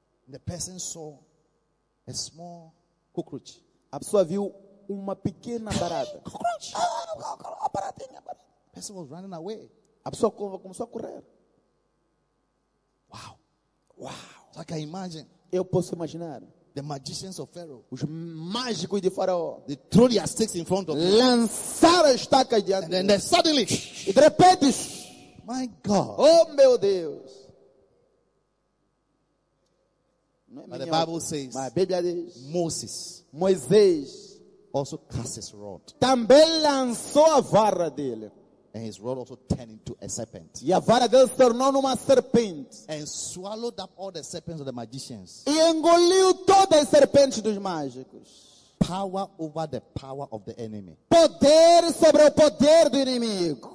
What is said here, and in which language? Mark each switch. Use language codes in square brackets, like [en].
[en] The person saw a small cockroach. [pt] A pessoa viu uma pequena barata. [en] Cockroach. [pt] A baratinha, [en] The person was running away. [pt] A pessoa começou a correr. [en] Wow. So I can imagine. [pt] Eu posso imaginar. [en] The magicians of Pharaoh. [pt] Os mágicos de Faraó. [en] They threw their sticks in front of him. [pt] Lançaram estacas diante [en] dele. And then suddenly. [pt] E de repente. [en] My God. [pt] Oh, meu Deus. [en] But the Bible says. [pt] My Bíblia diz. [en] Moses. [pt] Moisés. [en] Also cast his rod. [pt] Também lançou a vara dele. [en] And his rod also turned into a serpent. [pt] E a vara dele se tornou numa serpente. [en] And swallowed up all the serpents of the magicians. [pt] E engoliu todas as serpentes dos mágicos. [en] Power over the power of the enemy. [pt] Poder sobre o poder do inimigo.